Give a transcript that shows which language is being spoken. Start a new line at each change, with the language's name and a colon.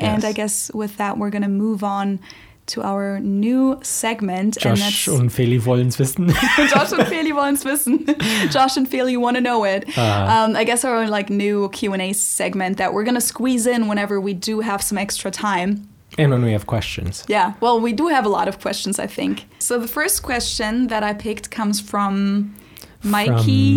English: And I guess with that, we're going to move on to our new segment. Josh and, that's,
German: und Feli wollen's wissen. Josh und Feli wollen's wissen.
English: Josh and Feli want to know it. I guess our like new Q&A segment that we're going to squeeze in whenever we do have some extra time. And when we have questions. Yeah. Well, we do have a lot of questions, I think. So the first question that I picked comes from Mikey.